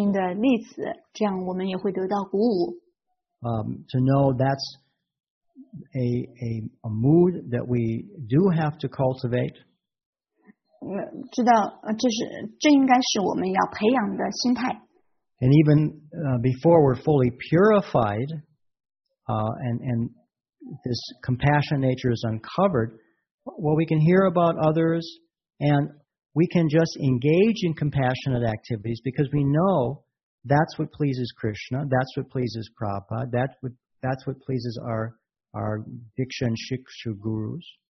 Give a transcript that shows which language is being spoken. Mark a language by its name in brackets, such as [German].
[Chinese] 与此同时，我们也可以聆听一些充满怜悯之心的例子，这样我们也会得到鼓舞。 [English] To know that's a mood that we do have to cultivate. [Chinese] 知道这应该是我们要培养的心态。 [English] And even before we're fully purified, and this compassionate nature is uncovered, well, we can hear about others, and we can just engage in compassionate activities because we know that's what pleases Krishna, that's what pleases Prabhupada, that's what pleases our Diksha and Shiksha gurus.